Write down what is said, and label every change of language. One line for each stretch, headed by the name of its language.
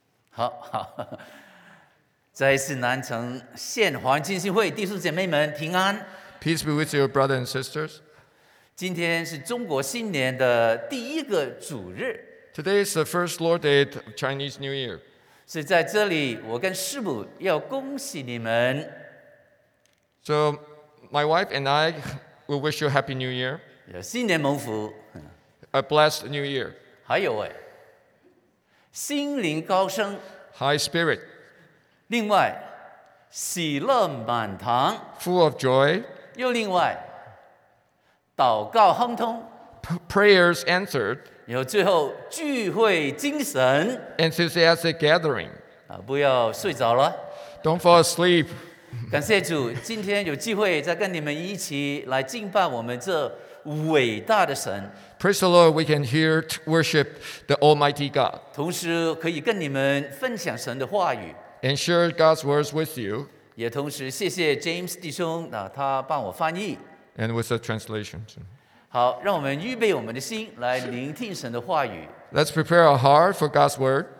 Chinese: 好，再一次南城县黄金信会弟兄姐妹们平安。
English: Peace be with you, brothers and sisters.
Chinese: 今天是中国新年的第一个主日。
English: Today is the first Lord Day of Chinese New Year.
Chinese: 是在这里，我跟师母要恭喜你们。
English: So my wife and I will wish you a Happy New Year.
Chinese: 新年蒙福。
English: A blessed New Year.
Chinese: 还有哎。心灵高升
English: High spirit
Chinese: 另外喜乐满堂
English: Full of joy
Chinese: 又另外祷告亨通
English: Prayers answered
Chinese: 又最后聚会精神
English: Enthusiastic gathering
Chinese: 不要睡着了
English: Don't fall asleep
Chinese: 感谢主今天有机会再跟你们一起来敬拜我们这伟大的神
English: Praise the Lord, we can hear to worship the Almighty God.
Chinese: 同时可以跟你们分享神的话语
English: And share God's words with you.
Chinese: 也同时谢谢 James 弟兄，他帮我翻译
English: And with the translation.
Chinese: 好，让我们预备我们的心来聆听神的话语
English: Let's prepare our heart for God's word.